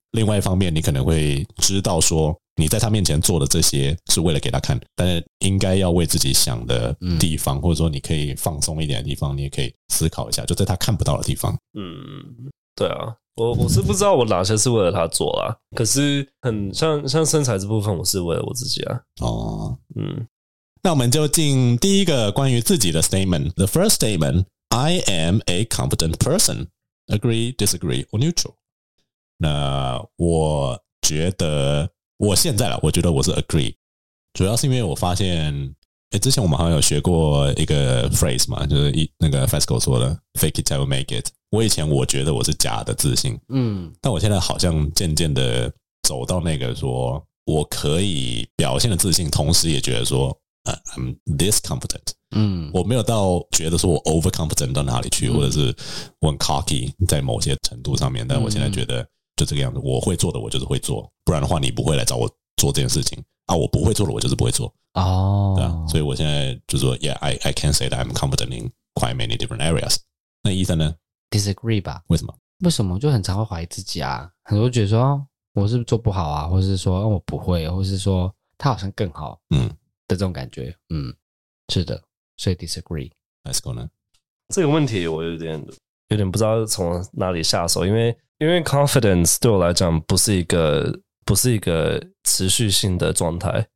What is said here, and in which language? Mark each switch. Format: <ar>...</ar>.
<zh>另外一方面你可能会知道说你在他面前做的这些是为了给他看，但是应该要为自己想的地方、嗯、或者说你可以放松一点的地方你也可以思考一下，就在他看不到的地方。嗯，对啊，我是不知道我哪些是为了他做啦，可是很像身材这部分我是为了我自己啊。哦，嗯，那我们就进第一个关于自己的 statement。</zh> <en>The first statement, I am a competent person. Agree, disagree, or neutral?</en> <zh>那我觉得我现在啦，我觉得我是 agree， 主要是因为我发现之前我们好像有学过一个 phrase 嘛，就是那个 FESCO 说的</zh> <en>fake it till you make it。</en> <zh>我以前我觉得我是假的自信，嗯，但我现在好像渐渐的走到那个说我可以表现的自信，同时也觉得说、</zh> <en>I'm this confident。嗯，</en> <zh>我没有到觉得说我 overconfident 到哪里去、嗯、或者是我很 cocky 在某些程度上面，但我现在觉得就这个样子，我会做的我就是会做，不然的话你不会来找我做这件事情啊，我不会做的我就是不会做。哦、oh. 对啊，所以我现在就说</zh> <en>Yeah, I can say that I'm competent in quite many different areas。</en> <zh>那医生呢？ Disagree 吧。为什么？为什么？我就很常会怀疑自己啊，很多觉得说我是不是做不好啊，或是说、我不会，或是说他好像更好，嗯，的这种感觉。是的，所以 disagree。 Let's go 呢，这个问题我有点不知道从哪里下手，因为 confidence 对我来讲不是一个持续性的状态、</zh>